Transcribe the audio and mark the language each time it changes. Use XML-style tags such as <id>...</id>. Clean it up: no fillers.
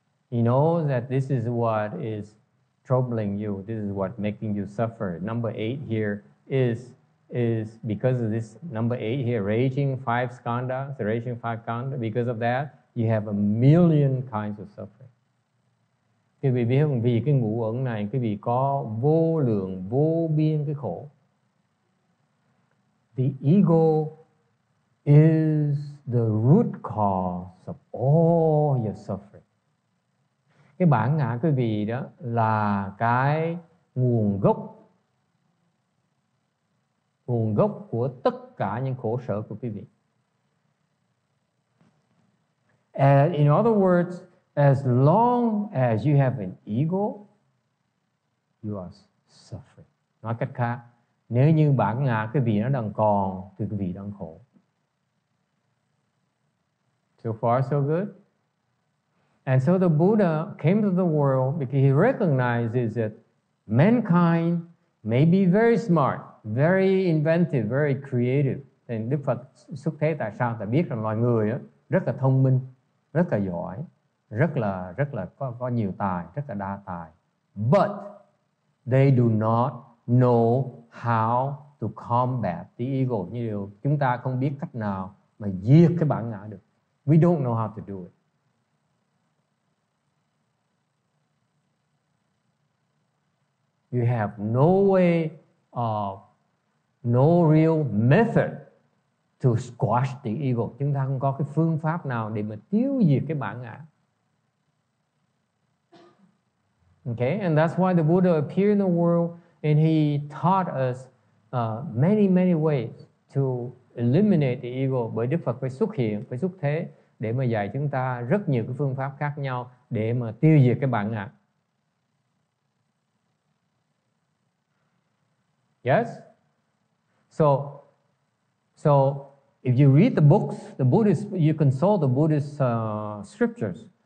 <en>He knows that this is what is troubling you. This is what making you suffer. Number eight here is because of this number eight here, raging five skandhas, because of that, you have a million kinds of suffering.</en> <vi>Quý vị biết không? Vì cái ngũ uẩn này, quý vị có vô lượng, vô biên cái khổ.</vi> <en>The ego is the root cause of all your suffering.</en> <vi>Cái bản ngã quý vị đó là cái nguồn gốc của tất cả những khổ sở của quý vị.</vi> <en>And in other words, as long as you have an ego, you are suffering.</en> <vi>Nói cách khác, nếu như bản ngã cái vị nó đang còn, thì cái vị đang khổ.</vi> <en>So far, so good. And so the Buddha came to the world because he recognizes that mankind may be very smart, very inventive, very creative.</en> <vi>Thì Đức Phật xuất thế tại sao? Tại biết rằng loài người á rất là thông minh, rất là giỏi, rất là có nhiều tài, rất là đa tài.</vi> <en>But they do not know how to combat the ego.</en> <vi>Như điều chúng ta không biết cách nào mà diệt cái bản ngã được.</vi> <en>We don't know how to do it. You have no way of, no real method to squash the ego.</en> <vi>Chúng ta không có cái phương pháp nào để mà tiêu diệt cái bản ngã.</vi> <en>Okay, and that's why the Buddha appeared in the world and he taught us many, many ways to eliminate the ego.</en> <vi>Bởi Đức Phật phải xuất hiện, phải xuất thế để mà dạy chúng ta rất nhiều cái phương pháp khác nhau để mà tiêu diệt cái bản ngã.</vi> <en>Yes? So if you read the books, the Buddhist, you consult the Buddhist scriptures.</en>